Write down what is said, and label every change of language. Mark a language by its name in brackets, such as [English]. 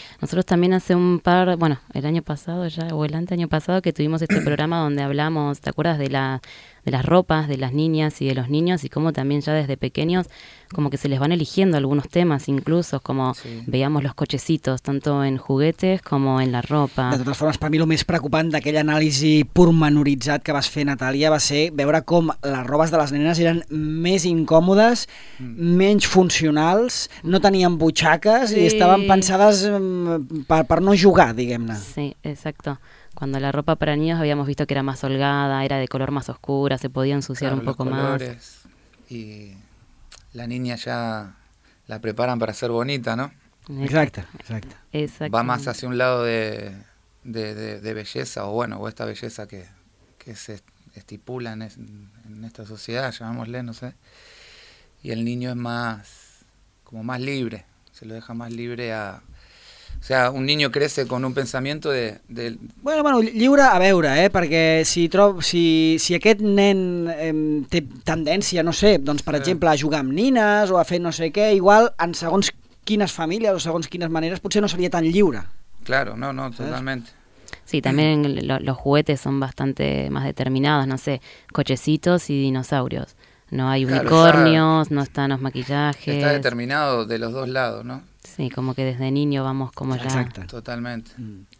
[Spanish] Nosotros también hace un par, bueno, el año pasado ya, o el anteaño pasado, que tuvimos este programa donde hablamos, ¿te acuerdas? De las ropas de las niñas y de los niños, y cómo también ya desde pequeños como que se les van eligiendo algunos temas, incluso como veíamos los cochecitos, tanto en juguetes como en la ropa. [Catalan] De totes formes, per mi el més preocupant d'aquell anàlisi pormenoritzat que vas fer, Natàlia, va ser veure com les robes de les nenes eren més incòmodes, menys funcionals, no tenien butxaques i estaven pensades per no jugar, diguem-ne. [Spanish] Sí, exacto. Cuando la ropa para niños habíamos visto que era más holgada, era de color más oscura, se podía ensuciar, claro, un poco los colores más. Y la niña ya la preparan para ser bonita, ¿no? Exacto. Va más hacia un lado de belleza, o bueno, o esta belleza que se estipula en esta sociedad, llamémosle, no sé. Y el niño es más, como más libre, se lo deja más libre a... O sea, un niño crece con un pensamiento de... [Catalan] Bueno, lliure a veure, perquè si aquest nen té tendència, no sé, doncs per exemple a jugar amb nines o a fer no sé què, igual en segons quines famílies o segons quines maneres potser no seria tan lliure. Claro, no, totalment. [Spanish] Sí, también los juguetes son bastante más determinados, no sé, cochecitos y dinosaurios. No hay unicornios, claro, está, no están los maquillajes. Está determinado de los dos lados, ¿no? Sí, como que desde niño vamos como exacto, ya... Exacto. [Catalan] Totalmente. Mm.